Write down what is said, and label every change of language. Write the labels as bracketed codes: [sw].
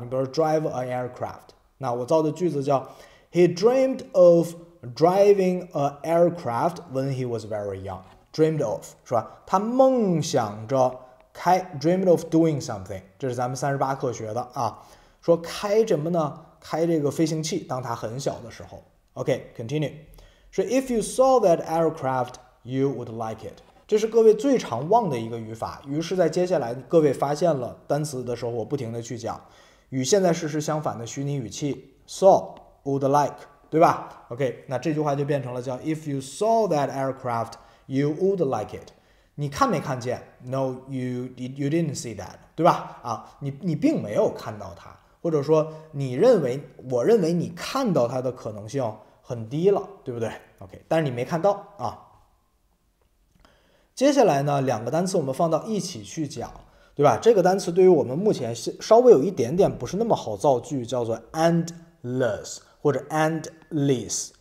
[zh] 你比如 [en] drive an aircraft， [zh] 那我造的句子叫 [en] He dreamed of driving an aircraft when he was very young。 Dreamed of [zh] 是吧？他梦想着开， [en] dreamed of doing something。 [zh] 这是咱们38课学的啊，说开什么呢？开这个飞行器，当他很小的时候。 [en] OK，continue。说 if you saw that aircraft, you would like it。 [zh] 这是各位最常忘的一个语法。于是，在接下来各位发现了单词的时候，我不停的去讲，与现在事实相反的虚拟语气， [en] saw would like， [zh] 对吧？OK，那这句话就变成了叫 [en] if you saw that aircraft。 You would like it， [zh] 你看没看见？ [en] No，you didn't see that， [zh] 对吧？啊，你并没有看到它，或者说你认为，我认为你看到它的可能性很低了，对不对？OK，但是你没看到啊。接下来呢，两个单词我们放到一起去讲，对吧？这个单词对于我们目前稍微有一点点不是那么好造句，叫做 endless 或者 endless。